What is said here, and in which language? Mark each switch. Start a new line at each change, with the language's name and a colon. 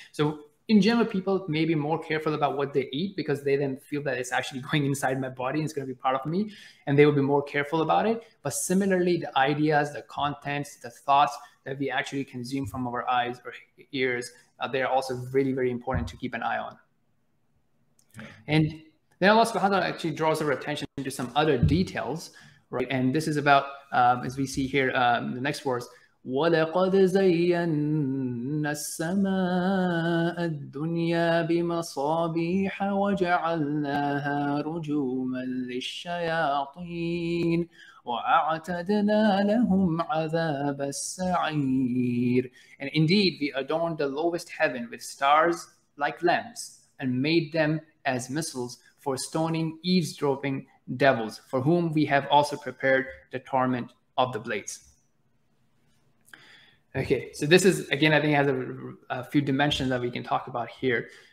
English: So in general, people may be more careful about what they eat, because they then feel that it's actually going inside my body and it's going to be part of me, and they will be more careful about it. But similarly, the ideas, the contents, the thoughts that we actually consume from our eyes or ears, they're also really, very important to keep an eye on. And then Allah subhanahu wa ta'ala actually draws our attention to some other details, right? And this is about, as we see here, the next verse,
Arabic: وَلَقَدْ زَيَّنَّا السَّمَاءَ الدُّنْيَا بِمَصَابِيحَ وَجَعَلْنَاهَا رُجُومًا لِلشَّيَاطِينِ وَأَعْتَدْنَا لَهُمْ عَذَابَ السَّعِيرِ.
English: And indeed, we adorned the lowest heaven with stars like lamps, and made them as missiles for stoning eavesdropping devils, for whom we have also prepared the torment of the blades. Okay, so this is, again, I think it has a few dimensions that we can talk about here.